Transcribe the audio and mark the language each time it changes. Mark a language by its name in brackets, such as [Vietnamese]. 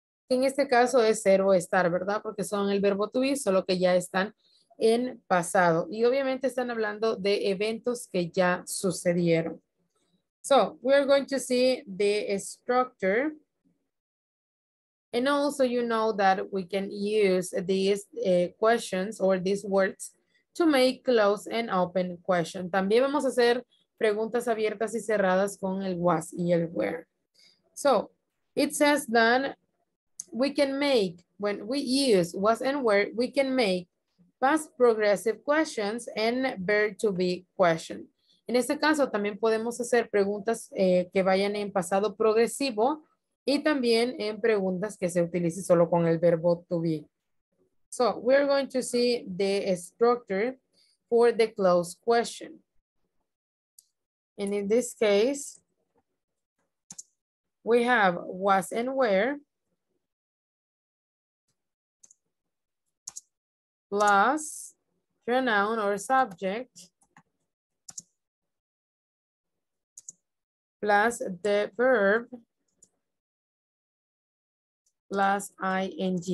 [Spanish] En este caso es ser o estar, ¿verdad? Porque son el verbo to be, solo que ya están en pasado. Y obviamente están hablando de eventos que ya sucedieron. [English] So, we are going to see the structure And also, you know that we can use these questions or these words to make closed and open questions. [Spanish] También vamos a hacer preguntas abiertas y cerradas con el was y el where. [English] So, it says that we can make, when we use was and where, we can make past progressive questions and verb to be questions. [Spanish] En este caso, también podemos hacer preguntas que vayan en pasado progresivo y también en preguntas que se utilice solo con el verbo to be. [English] So, we're going to see the structure for the closed question. And in this case, we have was and where plus pronoun or subject plus the verb plus ing.